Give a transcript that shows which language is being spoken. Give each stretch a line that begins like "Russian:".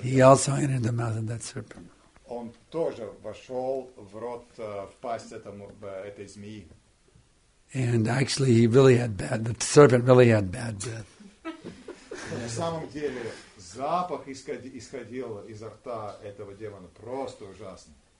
English: He also entered the mouth of that serpent.
Russian: Он тоже вошел в рот, в пасть этому, этой змеи.
English: And actually, he really had bad, the serpent really had bad breath.
Russian: На самом деле, запах исходил изо рта этого демона просто ужасный.